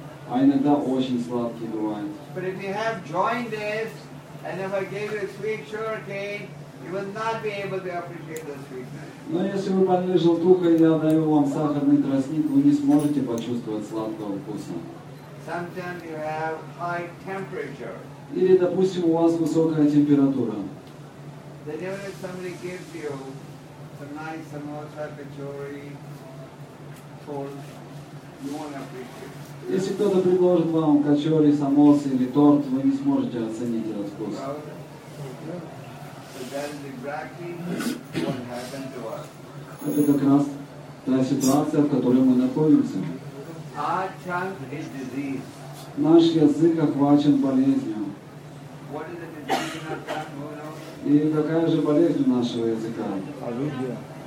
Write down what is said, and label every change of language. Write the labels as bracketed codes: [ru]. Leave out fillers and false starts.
[ru] А иногда очень сладкий бывает. [en] But if you have jaundice and if I gave you a sweet sugar cane, you will not be able to appreciate the sweetness. [ru] Но если вы больны желтухой, я даю вам сахарный тростник, вы не сможете почувствовать сладкого вкуса. [en] Sometimes you have high temperature. [ru] Или, допустим, у вас высокая температура. [en] Then even if somebody gives you some nice samosa, kachori, torts, you won't appreciate it. [ru] Если кто-то предложит вам кочори, самосы или торт, вы не сможете оценить этот вкус. Правда? [en] So that is exactly what happened to us. [ru] Это как раз та ситуация, в которой мы находимся. [en] Our tongue is disease. [ru] Наш язык охвачен болезнью. [en] What is the disease in our tongue? [ru] И какая же болезнь у нашего языка? Авидья.